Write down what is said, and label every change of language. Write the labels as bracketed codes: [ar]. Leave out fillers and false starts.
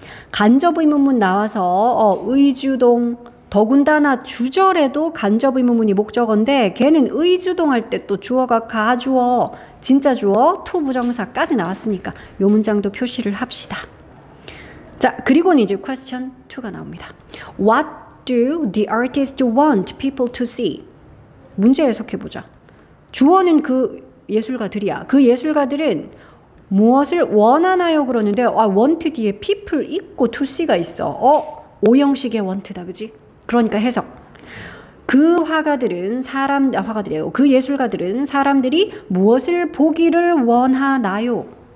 [ko] 간접 의문문 나와서 의주동 더군다나 주절에도 간접 의문문이 목적어인데 걔는 의주동 할때또 주어가 가주어, 진짜 주어, to 부정사까지 나왔으니까 이 문장도 표시를 합시다. 자, 그리고는 이제 question 2가 나옵니다. [en] What do the artist want people to see? [ko] 문제 해석해 보자. 주어는 그 예술가들이야. 그 예술가들은 무엇을 원하나요? 그러는데, 아, want 뒤에 people 있고 to see가 있어. 5형식의 want다, 그지? 그러니까 해석. 그 화가들은 사람, 아, 화가들이에요. 그 예술가들은 사람들이 무엇을 보기를 원하나요?